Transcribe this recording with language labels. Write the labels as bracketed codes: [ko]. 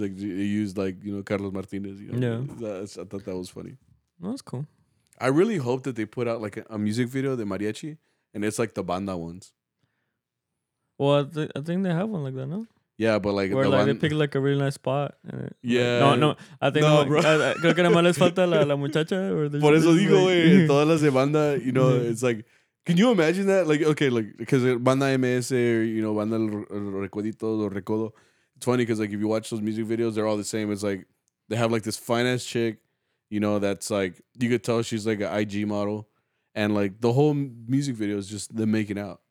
[en] Like they used like, you know, Carlos Martinez. You know? Yeah. I thought that was funny. That's cool. I really hope that they put out like a music video, the mariachi, and it's like the banda ones. Well, I think they have one like that, no? Yeah, but like where the like one, they pick like a really nice spot. And yeah. No. I think no, like, bro. [es] Creo que nada más les falta la muchacha. [en] Or [es] por eso digo, güey. Todas las de banda, [en] you know, it's like, can you imagine that? Like, okay, like because banda MS or you know banda recuerditos or recodo. It's funny because like if you watch those music videos, they're all the same. It's like they have like this fine ass chick, you know, that's like you could tell she's like an IG model, and like the whole music video is just them making out.